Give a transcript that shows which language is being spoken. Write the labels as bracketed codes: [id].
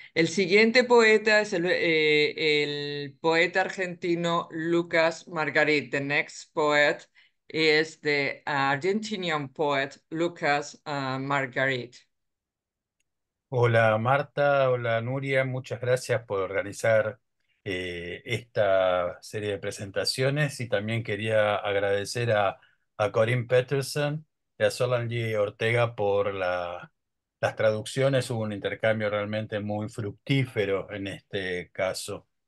[es] El siguiente poeta es el poeta argentino Lucas Margarit. [en] The next poet is the Argentinian poet Lucas Margarit. [es] Hola, Marta. Hola, Nuria. Muchas gracias por organizar esta serie de presentaciones y también quería agradecer a Corinne Peterson y a Solange Ortega por las traducciones. Hubo un intercambio realmente muy fructífero en este caso.